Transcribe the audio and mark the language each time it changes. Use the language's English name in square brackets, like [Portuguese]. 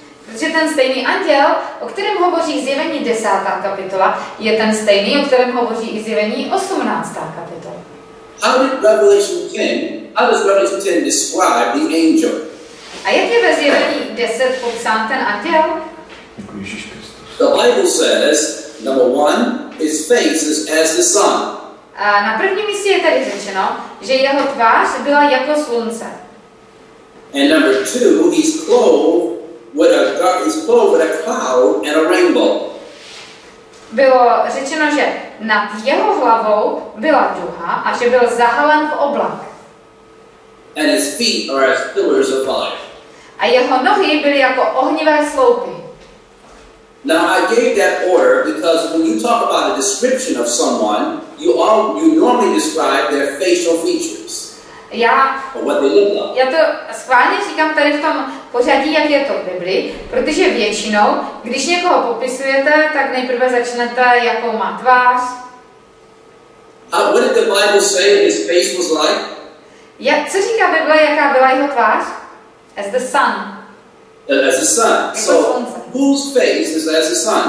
[Czech] Protože ten stejný anděl, o kterém hovoří zjevení 10. kapitola, je ten stejný, o kterém hovoří i zjevení 18. kapitola. [English] How did Revelation 10, how does Revelation 10 describe the angel? [Czech] A jak je ve zjevení 10 popsán ten anděl? [English] The Bible says, number one, his face is as the sun. [Czech] A na prvním místě je tady řečeno, že jeho tvář byla jako slunce. [English] And number two, he's clothed with a cloud and a rainbow. [Czech] Bylo řečeno, že nad jeho hlavou byla duha a že byl zahalen v oblak. [English] And his feet are as pillars of fire. [Czech] A jeho nohy byly jako ohnivé sloupy. [English] Now I gave that order because when you talk about a description of someone, you normally describe their facial features. [Czech] Já, [English] or what they look like. [Czech] Já to schválně říkám tady v tom pořadí, jak je to v Biblii, protože většinou, když někoho popisujete, tak nejprve začnete, jakou má tvář. [English] How, what did the Bible say his face was like? [Czech] Já, co říká Bible, jaká byla jeho tvář? [English] As the sun. As the sun. So, whose face is as the sun?